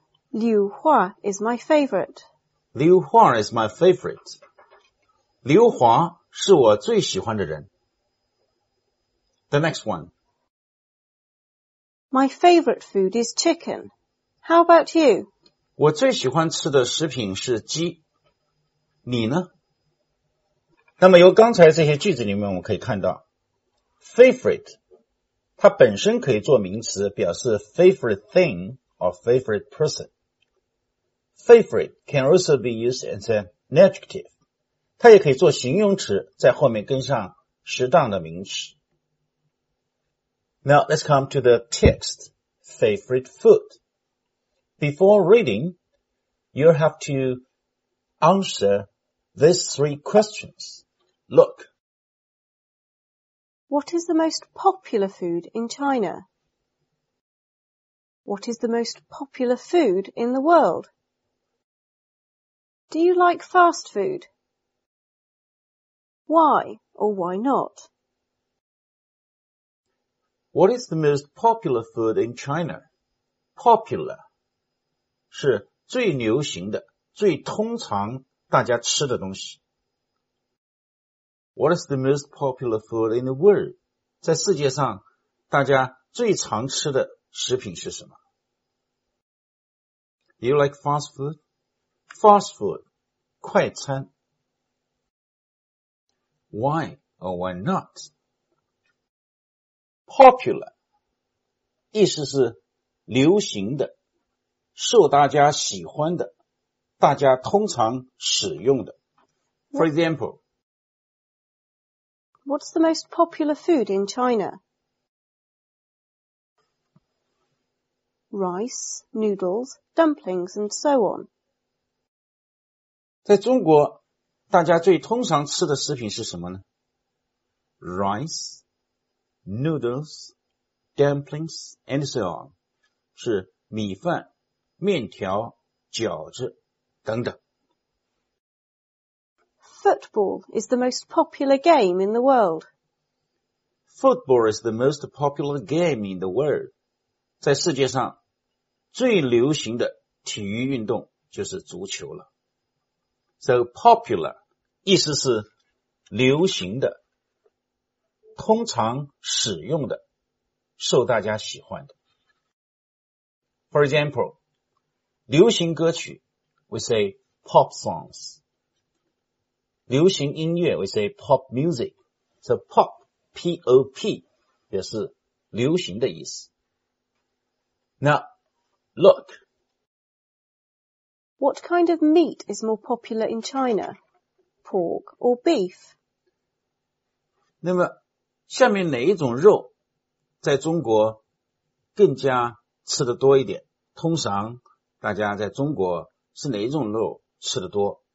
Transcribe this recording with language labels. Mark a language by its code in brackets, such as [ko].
[en] 刘华 is my favorite. 刘华 is my favorite. [zh] 刘华是我最喜欢的人。 [en] The next one. My favorite food is chicken. How about you? [zh] 我最喜欢吃的食品是鸡。你呢？那么由刚才这些句子里面我们可以看到 favorite, 它本身可以做名词表示 [en] favorite thing or favorite person. Favorite can also be used as an adjective. [zh] 它也可以做形容词，在后面跟上适当的名词。 [en] Now, let's come to the text, favorite food. Before reading, you have to answer these three questions. Look. What is the most popular food in China? What is the most popular food in the world? Do you like fast food? Why or why not? What is the most popular food in China? [zh] Popular 是最流行的，最通常大家吃的东西。 [en] What is the most popular food in the world? [zh] 在世界上，大家最常吃的食品是什么？ [en] Do you like fast food? [zh] Fast food, 快餐。 [en] Why or why not? [zh] Popular, 意思是流行的，受大家喜欢的，大家通常使用的。 [en] For example, What's the most popular food in China? Rice, noodles, dumplings, and so on. [zh] 在中国大家最通常吃的食品是什么呢? [en] Rice, noodles, dumplings, and so on. [zh] 是米饭、面条、饺子等等。 [en] Football is the most popular game in the world. Football is the most popular game in the world. [zh] 在世界上最流行的体育运动就是足球了。 [en] So popular. [zh] 意思是流行的，通常使用的，受大家喜欢的。 [en] For example, [zh] 流行歌曲 [en] we say pop songs. [zh] 流行音乐 [en] we say pop music. [zh] So pop, P-O-P, 也是流行的意思。 [en] Now, look. What kind of meat is more popular in China? Pork or beef? [zh] 那么下面哪一种肉在中国更加吃得多一点？通常大家在中国是哪一种肉吃得多？